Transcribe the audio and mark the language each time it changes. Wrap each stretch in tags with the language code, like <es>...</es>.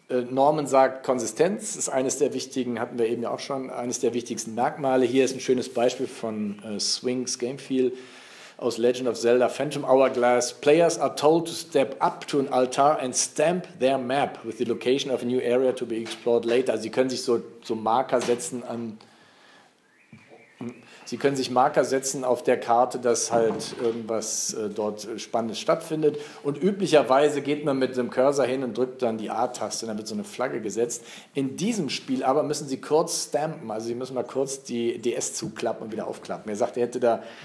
<de>Norman sagt, Konsistenz ist eines der wichtigen, hatten wir eben ja auch schon, eines der wichtigsten Merkmale. Hier ist ein schönes Beispiel von Swings Game Feel aus Legend of Zelda Phantom Hourglass.</de> <en>Players are told to step up to an altar and stamp their map with the location of a new area to be explored later.</en> <de>Also sie können sich so Marker setzen an... Sie können sich Marker setzen auf der Karte, dass halt irgendwas dort Spannendes stattfindet. Und üblicherweise geht man mit einem Cursor hin und drückt dann die A-Taste, dann wird so eine Flagge gesetzt. In diesem Spiel aber müssen Sie kurz stampen, also Sie müssen mal kurz die DS zuklappen und wieder aufklappen. Er sagt, er hätte da</de>